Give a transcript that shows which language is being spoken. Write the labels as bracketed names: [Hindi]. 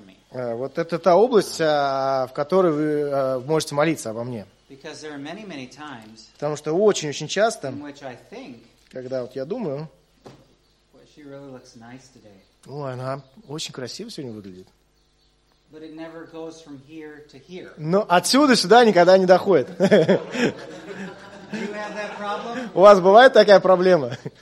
[Russian] Вот это та область, в которой вы можете молиться обо мне. [English] Because there are many, many times, [Russian] потому что очень-очень часто, [English] in which I think, [Russian] когда вот я думаю, [English] well, she really looks nice today. [Russian] О, она очень красиво сегодня выглядит. [English] But it never goes from here to here. [Russian] Но отсюда сюда никогда не доходит. [English] Do you have that problem? [Russian] У вас бывает такая проблема?